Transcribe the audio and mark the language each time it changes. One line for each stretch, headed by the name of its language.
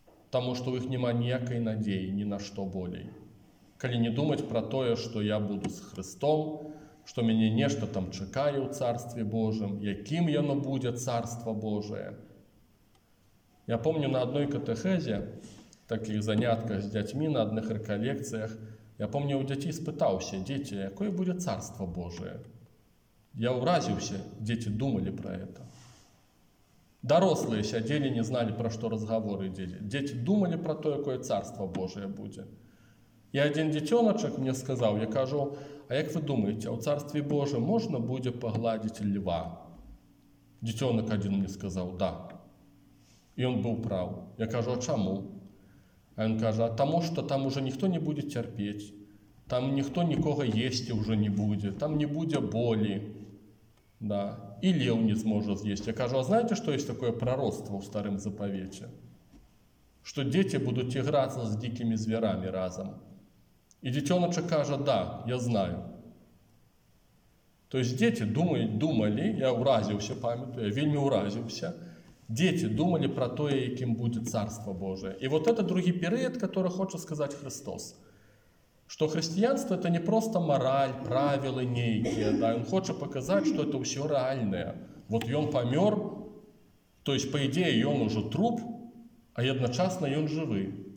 Ukrainian: Потому что у них нема ніякої надії, ні на що болей. Коли не думать про те, що я буду з Христом, що мені нечто там чекає у Царстві Божім, яким воно буде Царство Боже. Я пам'ятаю, на одній катехезі, таких занятках з дітьми, на одних реколекціях, я пам'ятаю, у дітей спитався, діти, яке буде Царство Боже? Я вразився, діти думали про це.
Russian: Дорослые сидели, не знали, про что разговоры дети. Дети думали про то, какое Царство Божие будет. И один детеночек мне сказал, я кажу, а как вы думаете, а в Царстве Божьем можно будет погладить льва? Детенок один мне сказал, да. И он был прав. Я кажу, а чему? А он кажет, а тому, что там уже никто не будет терпеть. Там никто никого есть уже не будет. Там не будет боли. Да. И лев не сможет съесть. Я кажу, а знаете, что есть такое пророцтво в Старом Заповете? Что дети будут играться с дикими зверами разом. И детеночек кажет, да, я знаю. То есть дети
Belarusian: думалі, я ўразіўся, памятаю, вельмі ўразіўся.
Russian: Дети думали про то, яким будет Царство Божие. И вот это другий период, который хочет сказать Христос. Что христианство это не просто мораль, правила некие. Да? Он хочет показать, что это все реальное. Вот он помер, то есть по идее он уже труп, а одночасно он живый.